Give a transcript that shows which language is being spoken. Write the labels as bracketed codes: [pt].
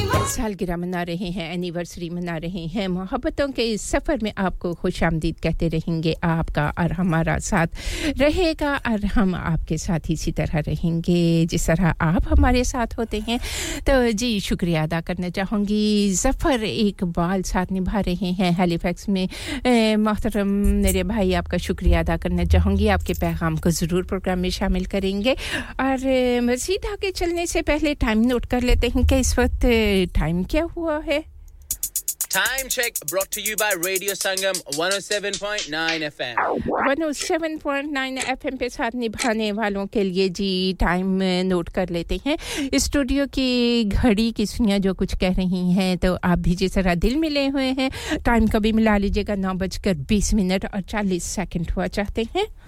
[ur] سالگرہ منا رہے ہیں اینیورسری منا رہے ہیں محبتوں کے اس سفر میں آپ کو خوش آمدید کہتے رہیں گے آپ کا اور ہمارا ساتھ رہے گا اور ہم آپ کے ساتھ اسی طرح رہیں گے جس طرح آپ ہمارے ساتھ ہوتے ہیں تو جی شکریہ ادا کرنا چاہوں گی ظفر اقبال ساتھ نبھا رہے ہیں ہیلی فیکس میں محترم میرے بھائی آپ کا شکریہ ادا کرنا چاہوں گی آپ کے پیغام کو ضرور پروگرام میں شامل کریں گے اور مزید آگے چلنے سے پہلے ٹائم نوٹ کر لیتے ہیں کہ اس وقت ٹائم کیا ہوا ہے [en] Time check brought to you by Radio Sangam 107.9 FM. [ur] 107.9 FM پہ ساتھ نبھانے والوں کے لیے جی ٹائم نوٹ کر لیتے ہیں اسٹوڈیو کی گھڑی کی سوئیاں جو کچھ کہہ رہی ہیں تو آپ بھی جس طرح دل ملے ہوئے ہیں ٹائم کبھی ملا لیجیے گا 9:20 اور 40 سیکنڈ ہوا چاہتے ہیں